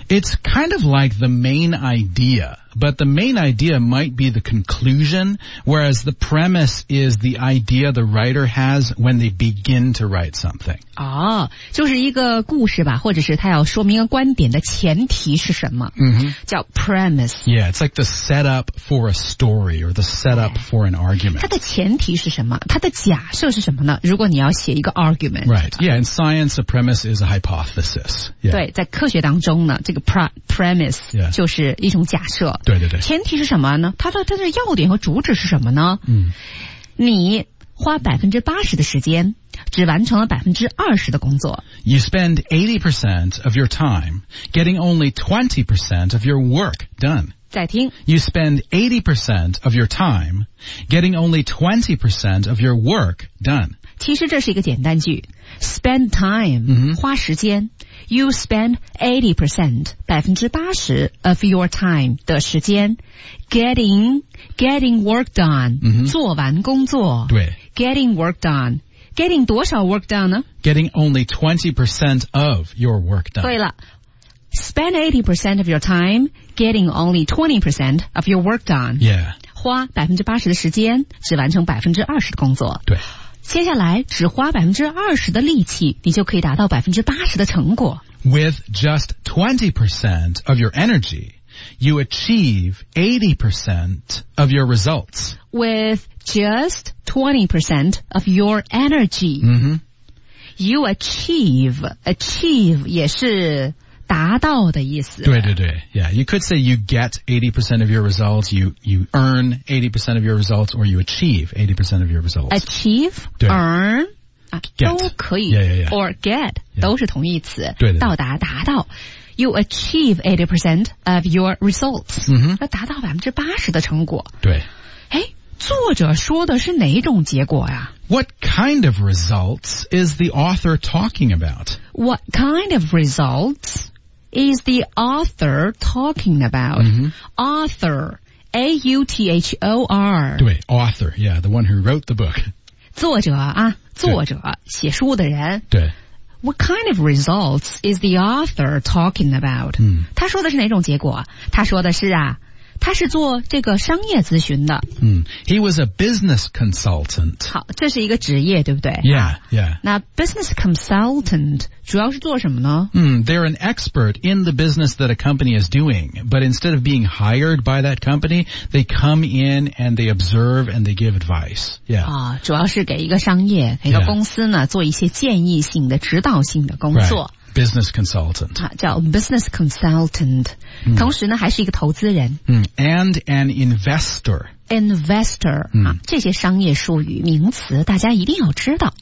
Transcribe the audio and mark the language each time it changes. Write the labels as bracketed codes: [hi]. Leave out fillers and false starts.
[en] It's kind of like the main idea, but the main idea might be the conclusion, whereas the premise is the idea the writer has when they begin to write something. [zh] 哦，就是一个故事吧，或者是他要说明一个观点的前提是什么、 mm-hmm. 叫 premise. [en] Yeah, it's like the setup for a story or the setup、yeah. for an argument. [zh] 它的前提是什么？它的假设是什么呢？如果你要写一个 argument. [en] Right, yeah, in science, a premise is a hypothesis.、Yeah. [zh] 对，在科学当中呢，这个 premise、 [en] yeah. [zh] 就是一种假设。对对对。前提是什么呢？它的要点和主旨是什么呢？嗯，你花 80% 的时间。只完成了20%的工作。 [en] You spend 80% of your time getting only 20% of your work done. [zh] 再听。 [en] You spend 80% of your time getting only 20% of your work done. [zh] 其实这是一个简单句。Spend time,、 mm-hmm. 花时间。 [en] You spend 80%, 80% of your time [zh] 的时间 [en] getting work done,、 mm-hmm. [zh] 做完工作。对。 [en] Getting work done. Getting [zh] 多少 [en] work done 呢 Getting only 20% of your work done. 对了 Spend 80% of your time getting only 20% of your work done. Yeah. [zh] 花 80% 的时间只完成20%的工作。对。接下来只花20%的力气，你就可以达到80%的成果。 [en] With just 20% of your energy, you achieve 80% of your results. With just 20% of your energy,、 mm-hmm. you achieve [zh] 也是达到的意思。 [en] 对对对 ,yeah, you could say you get 80% of your results, you earn 80% of your results, or you achieve 80% of your results. Achieve, earn, get. [zh] 都可以 [en] yeah, yeah, yeah. or get,、 yeah. [zh] 都是同义词对对对到达达到 [en] You achieve 80% of your results、 mm-hmm. [zh] 达到80%的成果对诶作者说的是哪种结果呀、啊、 [en] What kind of results is the author talking about? What kind of results is the author talking about?、 Mm-hmm. Author A-U-T-H-O-R 对 author yeah, the one who wrote the book [zh] 作者啊作者写书的人对 [en] What kind of results is the author talking about?、嗯、 [zh] 他说的是哪种结果他说的是啊他是做这个商业咨询的、 [en] 嗯、He was a business consultant [zh] 好这是一个职业对不对 [en] Yeah, yeah [zh] 那 business consultant 主要是做什么呢、 [en] 嗯、They're an expert in the business that a company is doing But instead of being hired by that company They come in and they observe and they give advice Yeah、 [zh] 哦、主要是给一个商业给一个公司呢、 [en] yeah. [zh] 做一些建议性的指导性的工作、 [en] right. Business consultant.、 [zh] 啊、叫 business consultant.、嗯、同时呢还是一个投资人。 [en] 嗯、and an investor. Investor.、嗯 [zh] 啊、这些商业术语名词大家一定要知道。